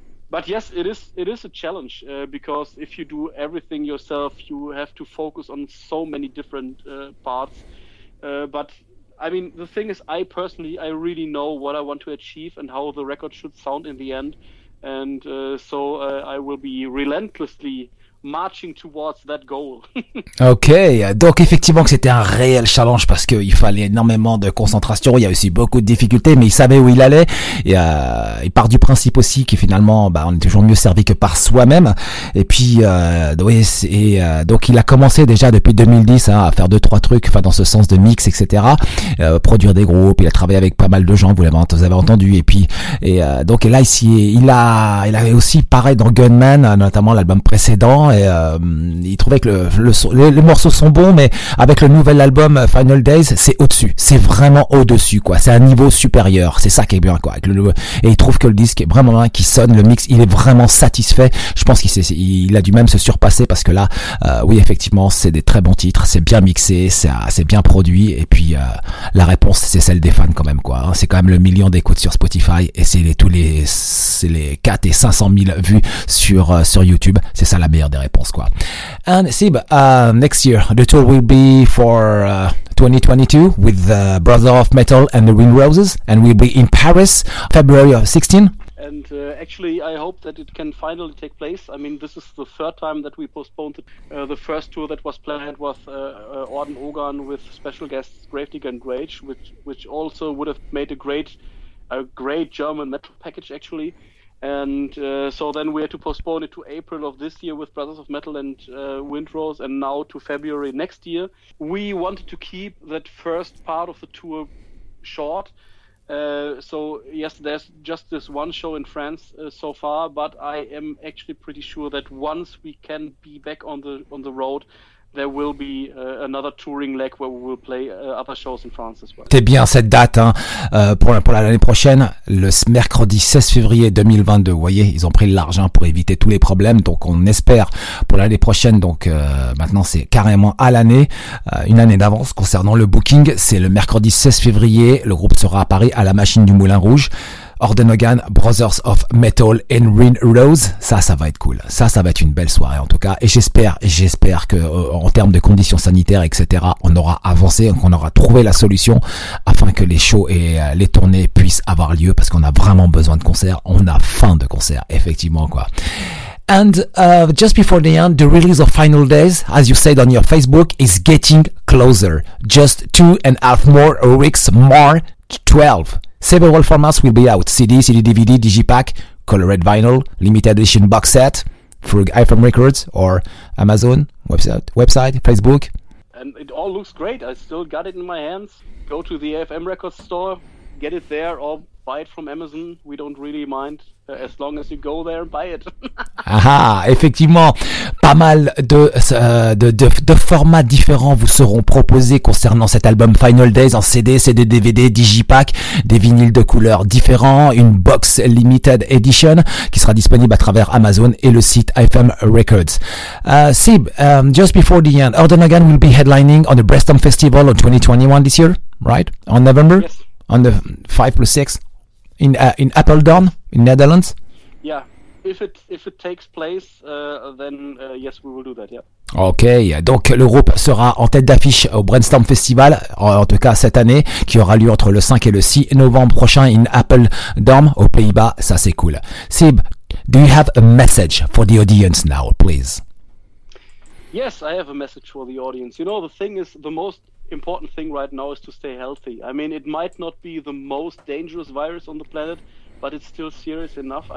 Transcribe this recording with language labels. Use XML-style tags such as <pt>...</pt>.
<en>But yes, it is a challenge because if you do everything yourself, you have to focus on so many different parts. But I mean, the thing is, I really know what I want to achieve and how the record should sound in the end. And so I will be relentlessly marching towards that goal.</en> <fr>Okay, donc effectivement que c'était un réel challenge parce qu'il fallait énormément de concentration, il y a aussi beaucoup de difficultés, mais il savait où il allait, et part du principe aussi que finalement bah, on est toujours mieux servi que par soi-même, et puis donc il a commencé déjà depuis 2010 hein, à faire 2-3 trucs enfin dans ce sens de mix, etc., produire des groupes, il a travaillé avec pas mal de gens, vous avez entendu, et là il avait aussi pareil dans Gunman, notamment l'album précédent. Et il trouvait que les morceaux sont bons, mais avec le nouvel album Final Days, c'est au-dessus, c'est vraiment au-dessus quoi, c'est un niveau supérieur, c'est ça qui est bien quoi. Et il trouve que le disque est vraiment bien, qui sonne, le mix, il est vraiment satisfait. Je pense qu'il a dû même se surpasser parce que là, oui, effectivement, c'est des très bons titres, c'est bien mixé, c'est bien produit. Et puis la réponse, c'est celle des fans quand même quoi. Hein. C'est quand même le million d'écoutes sur Spotify et c'est les 4 et 500 000 vues sur YouTube, c'est ça la meilleure des réponses quoi.</fr> <en>And Sib, next year the tour will be for 2022 with the Brother of Metal and the Ring Roses, and we'll be in Paris February 16. And actually I hope that it can finally take place. I mean, this is the third time that we postponed it. The first tour that was planned was Orden Ogan with special guests Gravedigger and Rage, which also would have made a great German metal package actually. And so then we had to postpone it to April of this year with Brothers of Metal and Windrose, and now to February next year. We wanted to keep that first part of the tour short. So yes, there's just this one show in France so far, but I am actually pretty sure that once we can be back on the road, there will be another touring leg where we will play other shows in France as well.</en> <fr>T'es bien cette date hein, pour l'année prochaine, le mercredi 16 février 2022. Vous voyez, ils ont pris de l'argent pour éviter tous les problèmes. Donc on espère pour l'année prochaine, donc maintenant c'est carrément à l'année, une année d'avance concernant le booking. C'est le mercredi 16 février, le groupe sera à Paris à la machine du Moulin Rouge. Orden Ogan, Brothers of Metal and Rin Rose, ça va être cool, ça va être une belle soirée en tout cas, et j'espère que en termes de conditions sanitaires etc, on aura avancé, qu'on aura trouvé la solution afin que les shows et les tournées puissent avoir lieu, parce qu'on a vraiment besoin de concerts, on a faim de concerts effectivement quoi.</fr> <en>And just before the end, the release of Final Days, as you said on your Facebook, is getting closer, just 2.5 more weeks, March 12th. Several formats will be out: CD, CD DVD, Digipack, colored vinyl, limited edition box set through iPhone Records or Amazon website, Facebook. and it all looks great. I still got it in my hands. Go to the AFM record store, get it there, or buy it from Amazon. We don't really mind as long as you go there and buy it.</en> <fr>Aha, effectivement, pas mal de formats différents vous seront proposés concernant cet album Final Days en CD, CD, DVD, Digipack, des vinyles de couleurs différents, une box limited edition qui sera disponible à travers Amazon et le site AFM Records.</fr> <en>Sib, just before the end, Ordon Again will be headlining on the Brestham Festival of 2021 this year, right? On November? Yes. On the 5+6 in Apeldoorn in Netherlands. Yeah, if it takes place, then yes, we will do that. Yeah.</en> <fr>Ok, donc le groupe sera en tête d'affiche au Brainstorm Festival, en tout cas cette année, qui aura lieu entre le 5 et le 6 novembre prochain in Apeldoorn aux Pays-Bas. Ça c'est cool.</fr> <en>Sib, do you have a message for the audience now, please? Yes, I have a message for the audience. You know, the thing is, the most important thing right now is to stay healthy. I mean, it might not be the most dangerous virus on the planet, but it's still serious enough.</en>